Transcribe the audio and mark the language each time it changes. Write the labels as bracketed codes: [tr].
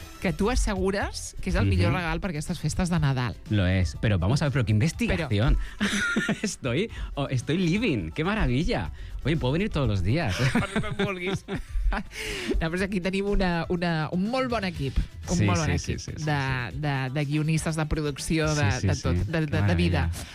[ca] Que tu assegures que és el millor regal per aquestes festes de Nadal. [es] Lo es. Pero vamos a ver, pero qué investigación. Pero... Estoy living. Qué maravilla. Oye, puedo venir todos los días. [ca] Quan me vulguis. No, però aquí tenim un molt bon equip. De guionistes, de producció, de vida.